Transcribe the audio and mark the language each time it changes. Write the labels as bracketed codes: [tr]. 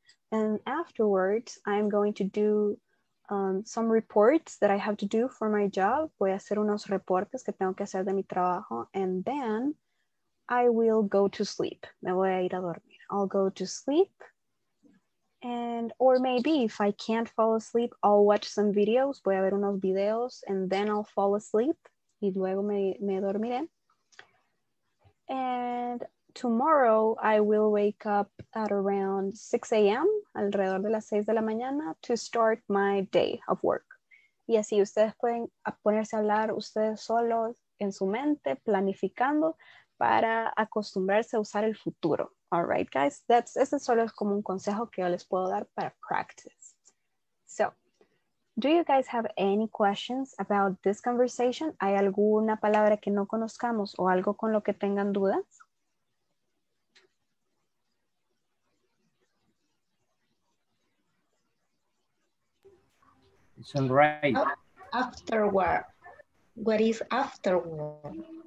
[en] And afterwards, I'm going to do some reports that I have to do for my job. [es] Voy a hacer unos reportes que tengo que hacer de mi trabajo. [en] And then I will go to sleep. [es] Me voy a ir a dormir. [en] I'll go to sleep. And, or maybe if I can't fall asleep, I'll watch some videos. [es] Voy a ver unos videos [en] and then I'll fall asleep. [es] Y luego me dormiré. [en] And tomorrow I will wake up at around 6 a.m. [es] alrededor de las 6 de la mañana [en] to start my day of work. [es] Y así ustedes pueden ponerse a hablar ustedes solos en su mente, planificando para acostumbrarse a usar el futuro. [en] All right, guys, [es] ese solo es como un consejo que yo les puedo dar para [en] practice. So, do you guys have any questions about this conversation? [es] ¿Hay alguna palabra que no conozcamos o algo con lo que tengan dudas? [en] It's all right. Afterward. What is afterward?